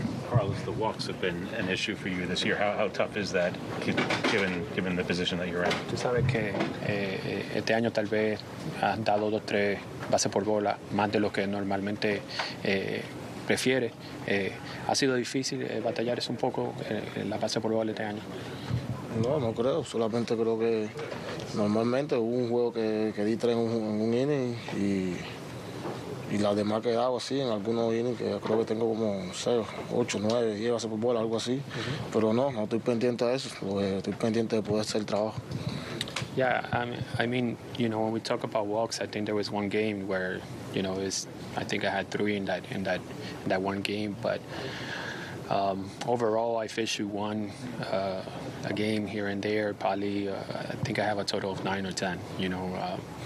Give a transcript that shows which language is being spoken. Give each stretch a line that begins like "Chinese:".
English: Carlos, the walks have been an issue for you this year. How tough is that, given the position that you're in?
Spanish: Tú sabes que este año tal vez has dado dos, tres bases por bola, más de lo que normalmente prefiere. ¿Ha sido difícil batallar eso un poco en la base por bola este año? No creo. Solamente creo que normalmente hubo un juego que di tres en un inning y las demás que he dado así en algunos innings, que creo que tengo como 6, 8, 9, 10 bases por bola, algo así. Uh-huh. Pero no estoy pendiente de eso, estoy pendiente de poder hacer el trabajo.
English: Yeah, I mean, you know, when we talk about walks, I think there was one game where, you know, I think I had 3 in that one game, but overall, I've issued one a game here and there, probably, I think I have a total of 9 or 10, you know.